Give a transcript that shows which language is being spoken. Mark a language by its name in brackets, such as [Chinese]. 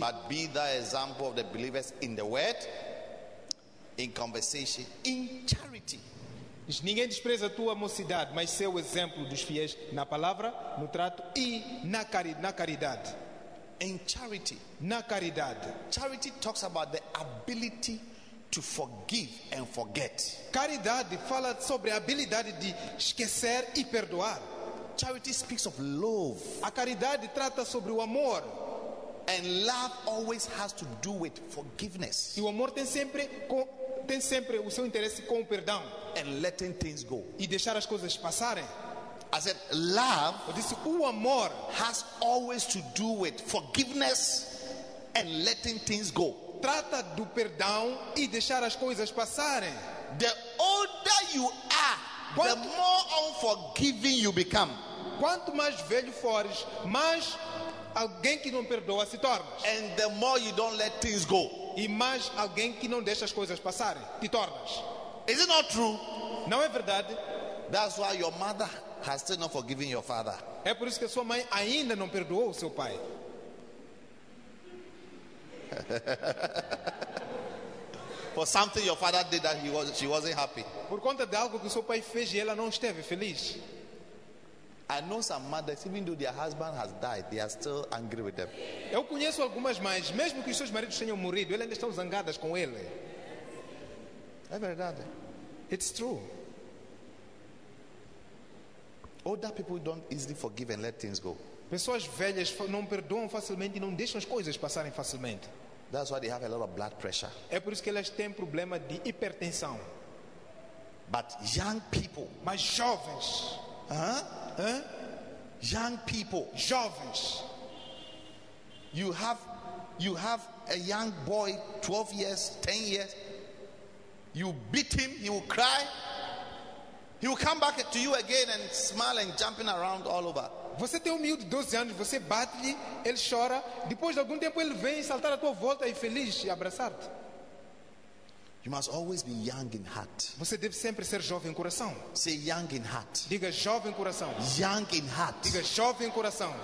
[English] But be the example of the believers in the word, in conversation, in charity. [Portuguese] Diz, ninguém despreza a tua mocidade, mas seja o exemplo dos fiéis na palavra, no trato e na caridade. [English] In charity. [Portuguese] Na caridade. [English] Charity talks about the ability to forgive and forget. [Portuguese] Caridade fala sobre a habilidade de esquecer e perdoar. [English] Charity speaks of love. [Portuguese] A caridade trata sobre o amor. [English] And love always has to do with forgiveness. [Portuguese] E o amor tem sempre o seu interesse com o perdão. [English] And letting things go. [Portuguese] E deixar as coisas passarem. [English] I said, love. [Portuguese] Eu disse, o amor [English] has always to do with forgiveness and letting things go. [Portuguese] Trata do perdão e deixar as coisas passarem. [English] The older you are, quanto, the more unforgiving you become. [Portuguese] Quanto mais velho fores, mais alguém que não perdoa se tornas. [English] And the more you don't let things go. [Portuguese] E mais alguém que não deixa as coisas passarem, te tornas. [English] Is it not true? [Portuguese] Não é verdade? [English] That's why your mother has still not forgiven your father. [Portuguese] É por isso que a sua mãe ainda não perdoou o seu pai. [English] For something your father did that she wasn't happy. [Portuguese] Por conta de algo que o seu pai fez e ela não esteve feliz. [English] I know some mothers, even though their husband has died, they are still angry with them. [Portuguese] Eu conheço algumas mães, mesmo que os seus maridos tenham morrido, elas ainda estão zangadas com ele. É verdade. [English] It's true. Older people don't easily forgive and let things go. [Portuguese] Pessoas velhas não perdoam facilmente e não deixam as coisas passarem facilmente. [English] That's why they have a lot of blood pressure. [Portuguese] É por isso que elas têm problema de hipertensão. [English] But young people, [Portuguese] mas jovens, [English] young people, [Portuguese] jovens, [English] you have a young boy, 12 years, 10 years, you beat him, he will cry. He will come back to you again and smile and jumping around all over. [Portuguese] Você tem um miúdo de 12 anos, você bate-lhe, ele chora. Depois de algum tempo, ele vem saltar à tua volta e feliz e abraçar-te. [English] You must always be young in heart. [Portuguese] Você deve sempre ser jovem coração. [English] Say young in heart. [Portuguese] Diga jovem coração. [English] Young in heart. [Portuguese] Diga jovem coração.